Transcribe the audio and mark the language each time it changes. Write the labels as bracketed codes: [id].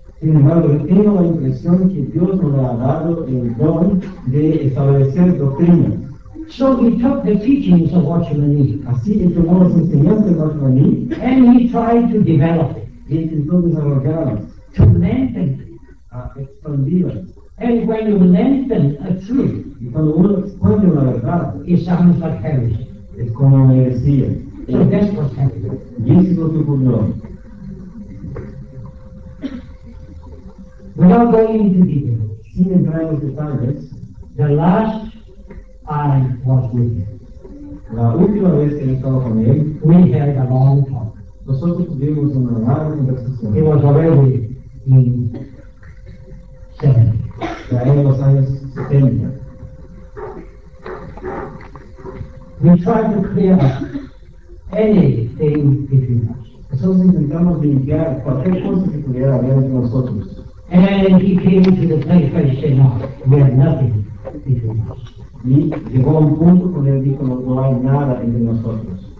[es] Sin embargo, tengo la impresión que Dios no le ha dado el don de establecer doctrinas. [en] So he took the teachings of Watchman Nee. [es] Así que tomó las enseñanzas de Watchman Nee. [en] And he tried to develop it. [es] Y intentó desarrollarlas. [en] To lengthen. [es] A expandirlas. [en] And when you lengthen a truth. [es] Y cuando uno expande una verdad. [en] It sounds like heresy. [es] Es como una heresía. [en] So that's what happened. [es] Y eso es lo que ocurrió. [en] Without going into detail. [es] Sin entrar en los detalles. [en] The last I was with him. [es] La última vez que estaba con él, [en] we had a long talk. [es] Nosotros tuvimos una larga conversación. [en] He was already in 70. [es] Ya en los años 70. [en] We tried to clear up anything between us. [es] Nosotros intentamos limpiar cualquier cosa que pudiera haber entre nosotros. [en] And he came to the place where he said, no, we have nothing between us. [es] Y llegó a un punto donde él dijo, no hay nada entre nosotros.